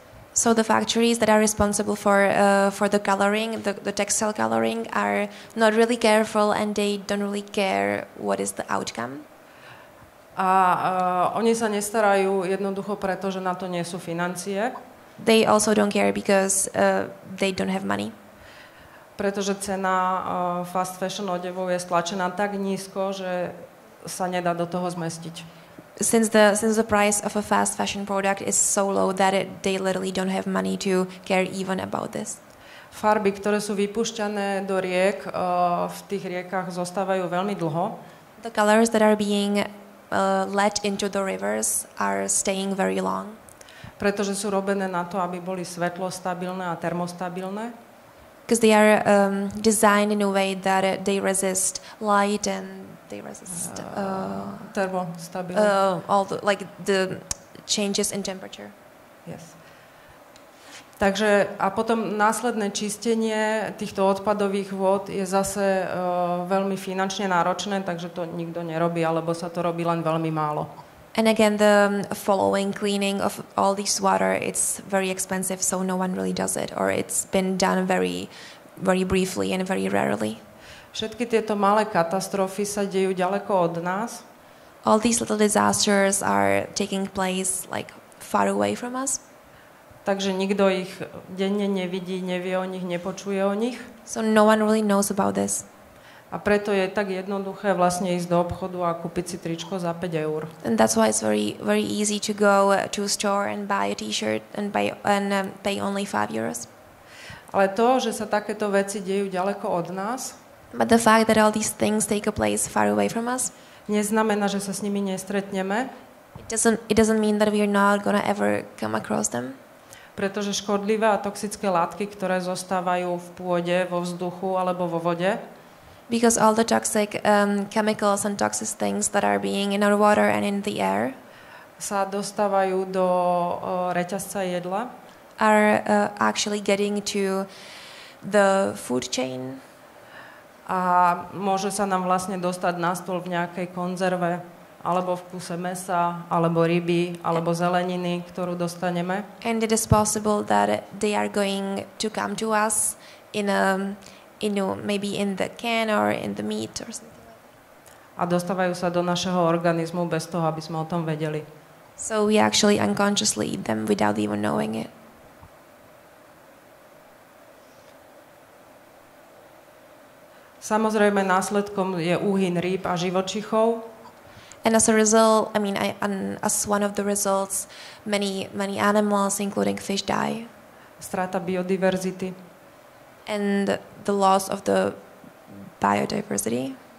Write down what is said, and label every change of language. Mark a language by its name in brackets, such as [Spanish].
[English] So the factories that are responsible for the coloring, the textile coloring, are not really careful and they don't really care what is the outcome. [Slovak] A oni sa nestarajú jednoducho preto, že na to nie sú financie. [English] They also don't care because they don't have money. [Slovak] Pretože cena fast fashion odevov je stlačená tak nízko, že sa nedá do toho zmestiť. [English] Since the price of a fast fashion product is so low that they literally don't have money to care even about this. [Slovak] Farby, ktoré sú vypúšťané do riek, v tých riekach zostávajú veľmi dlho. [English] The colors that are being let into the rivers are staying very long. [Slovak] Pretože sú robené na to, aby boli svetlo stabilné a termostabilné. [English] Because they are designed in a way that they resist light and they resist [Slovak] termostabilné. [English] All the changes in temperature. Yes. [Slovak] Takže a potom následné čistenie týchto odpadových vôd je zase veľmi finančne náročné, takže to nikto nerobí, alebo sa to robí len veľmi málo. [English] And again, the following cleaning of all this water, it's very expensive, so no one really does it, or it's been done very, very briefly and very rarely. [Slovak] Všetky tieto malé katastrofy sa dejú ďaleko od nás. [English] All these little disasters are taking place like far away from us. [Slovak] Takže nikto ich denne nevidí, nevie o nich, nepočuje o nich. [English] So no one really knows about this. [Slovak] A preto je tak jednoduché vlastne ísť do obchodu a kúpiť si tričko za 5 eur. [English] And that's why it's very, very easy to go to a store and buy a t-shirt and pay only 5 euros. [Slovak] Ale to, že sa takéto veci dejú ďaleko od nás, [English] but the fact that all these things take a place far away from us, [Slovak] neznamená, že sa s nimi nestretneme. [English] It doesn't mean that we are not gonna ever come across them. [Slovak] Pretože škodlivé a toxické látky, ktoré zostávajú v pôde, vo vzduchu alebo vo vode, [English] because all the toxic chemicals and toxic things that are being in our water and in the air, [Slovak] sa dostávajú do reťazca jedla, [English] are actually getting to the food chain, [Slovak] a môže sa nám vlastne dostať na stôl v nejakej konzerve alebo v kuse mesa alebo ryby alebo zeleniny, ktorú dostaneme. [English] And it is possible that they are going to come to us maybe in the can or in the meat or something like that. [Slovak] A dostávajú sa do našeho organizmu bez toho, aby sme o tom vedeli. [English] So we actually unconsciously eat them without even knowing it. [Slovak] Samozrejme, následkom je úhyn rýb a živočichov. [English] And as a result, as one of the results, many, many animals, including fish, die. [Slovak] Strata biodiverzity. [English] And the loss of the biodiversity.